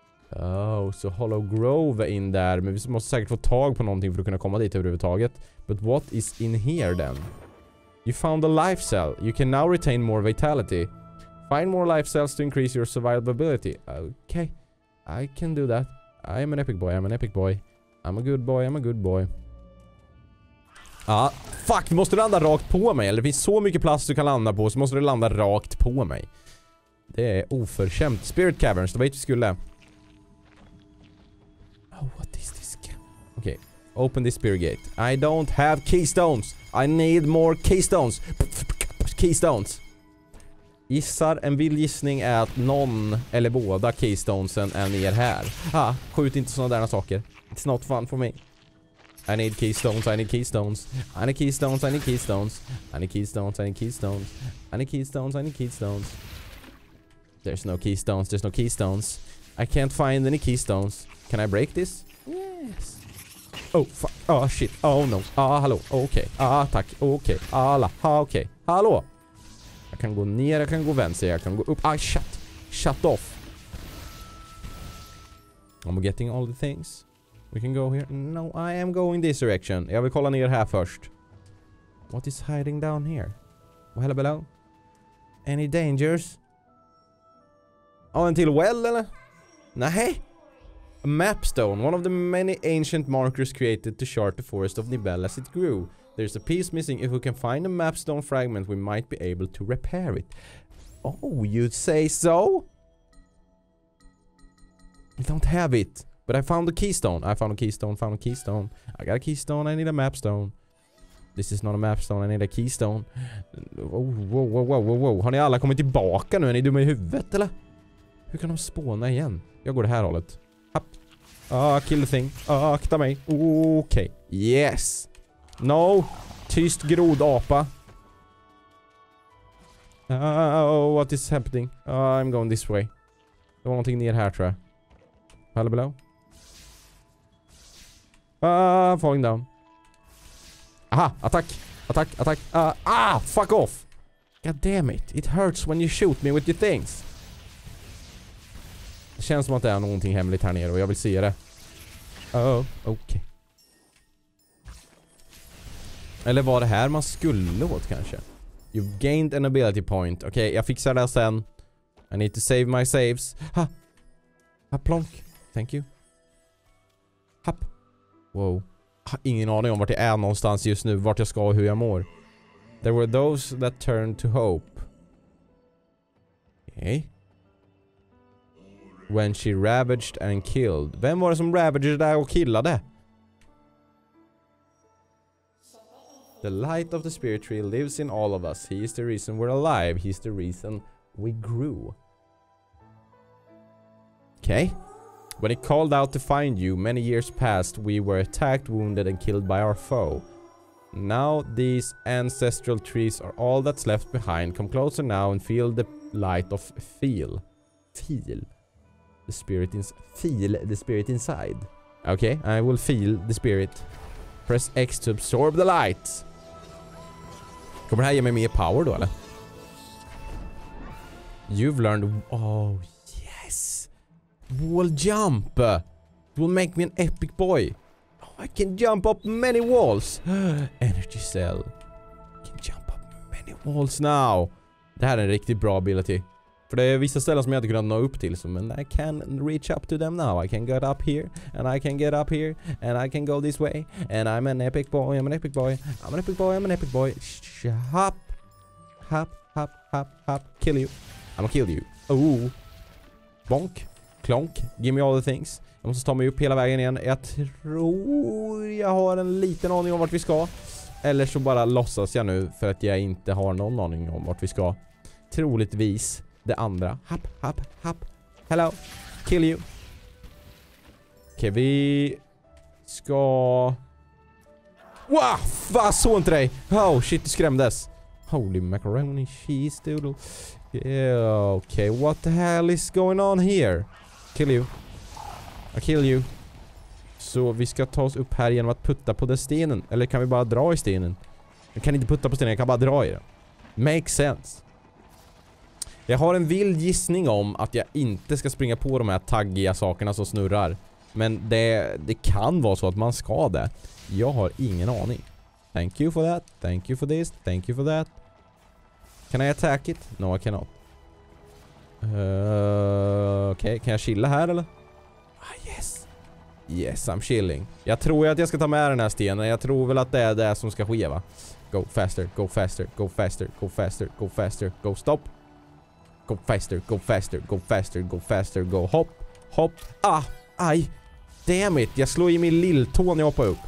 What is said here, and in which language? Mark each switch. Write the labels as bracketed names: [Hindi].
[Swedish] Oh, så Hollow Grove är in där. Men vi måste säkert få tag på någonting för att kunna komma dit överhuvudtaget. [English] But what is in here then? You found a life cell. You can now retain more vitality. Find more life cells to increase your survivability. Okay. I can do that. I'm an epic boy. I'm a good boy. Ah, fuck. [Swedish] Du måste landa rakt på mig. Eller det finns så mycket plats du kan landa på. Så måste du landa rakt på mig. Det är oförskämt. Spirit Caverns. Det var inte vi skulle. [English] Oh, what is this? Okay. Open this spirit gate. I don't have keystones. I need more keystones. Keystones. [Swedish] Gissar, en vild gissning är att någon eller båda keystonesen är ner här. Ah, skjut inte såna där saker. [English] It's not fun for me. I need keystones. There's no keystones. I can't find any keystones. Can I break this? Yes. Oh fuck. Oh shit. Oh no. Ah, hallå. Okej. Okay. Ah, tack. Okej. Okay. Alla. Ha, okej. Okay. Hallå. [Swedish] Jag kan gå ner, jag kan gå vänster, jag kan gå upp. [English] Ah, shut. Shut off. I'm getting all the things. We can go here. No, I am going this direction. [Swedish] Jag vill kolla ner här först. [English] What is hiding down here? Oh, hello below. Any dangers? Oh, until well, [Swedish] eller? Nej. [English] A map stone, one of the many ancient markers created to chart the forest of Nibel as it grew. There's a piece missing. If we can find a map stone fragment, we might be able to repair it. Oh, you'd say so? I don't have it. But I found a keystone. I found a keystone, found a keystone. I got a keystone, I need a map stone. This is not a map stone, I need a keystone. Whoa, whoa, whoa, whoa, whoa. [Swedish] Har ni alla kommit tillbaka nu? Är ni dumma i huvudet, eller? Hur kan de spåna igen? Jag går det här hållet. Ah, [English] kill the thing. [Swedish] Ah, akta mig. Okej. Okay. Yes. No. Tyst grodapa. [English] Oh, what is happening? I'm going this way. [Swedish] Det var någonting ner här, tror jag. [English] Hello, below. Falling down. Aha, attack. Attack, attack. Fuck off. God damn it. It hurts when you shoot me with your things. [Swedish] Det känns som att det är någonting hemligt här nere och jag vill se det. Okej. Eller var det här man skulle åt kanske? [English] You gained an ability point. [Swedish] Okej, okay, jag fixar det sen. [English] I need to save my saves. Ha! Ha, plonk. Thank you. Hopp. Wow. [Swedish] Ingen aning om vart jag är någonstans just nu, vart jag ska och hur jag mår. [English] There were those that turned to hope. Okej. Okay. When she ravaged and killed. [Swedish] Vem var det som ravaged där och killade? [English] The light of the spirit tree lives in all of us. He is the reason we're alive. He is the reason we grew. Okay. When he called out to find you, many years passed, we were attacked, wounded and killed by our foe. Now these ancestral trees are all that's left behind. Come closer now and feel the light of feel. Feel. The spirit is feel the spirit inside. Okay, I will feel the spirit. Press X to absorb the light. [Swedish] Kommer det här ge mig mer power då, eller? [English] You've learned... Oh, yes. Wall jump. It will make me an epic boy. Oh, I can jump up many walls. Energy cell. I can jump up many walls now. [Swedish] Det här är en riktigt bra ability. För det är vissa ställen som jag inte kunnat nå upp till. [English] Men I can reach up to them now. I can get up here. And I can get up here. And I can go this way. And I'm an epic boy. I'm an epic boy. I'm an epic boy. I'm an epic boy. Hop. Hop, hop, hop, hop. Kill you. I'm gonna kill you. Ooh. Bonk. Klonk. Give me all the things. [Swedish] Jag måste ta mig upp hela vägen igen. Jag tror jag har en liten aning om vart vi ska. Eller så bara låtsas jag nu. För att jag inte har någon aning om vart vi ska. Troligtvis. Det andra. Hop, hop, hop. Hello. Kill you. Okej, vi ska... Wow, va, så inte dig. [English] Oh, shit, [Swedish] du skrämdes. [English] Holy macaroni cheese, doodle. Yeah, okej, okay. What the hell is going on here? Kill you. I kill you. [Swedish] Så vi ska ta oss upp här genom att putta på den stenen. Eller kan vi bara dra i stenen? Jag kan inte putta på stenen, jag kan bara dra i den. [English] Makes sense. [Swedish] Jag har en vild gissning om att jag inte ska springa på de här taggiga sakerna som snurrar. Men det kan vara så att man ska det. Jag har ingen aning. [English] Thank you for that. Thank you for this. Thank you for that. Can I attack it? No, I cannot. [Swedish] Okej, okay. Kan jag chilla här eller? Ah, yes. [English] Yes, I'm chilling. [Swedish] Jag tror att jag ska ta med den här stenen. Jag tror väl att det är det som ska ske, va? [English] Go faster, go faster, go faster, go faster, go faster, go stop. Go faster, go faster, go faster, go faster, go hopp, hopp. Ah, aj. Damn it. [Swedish] Jag slår i min lilltå när jag hoppar upp.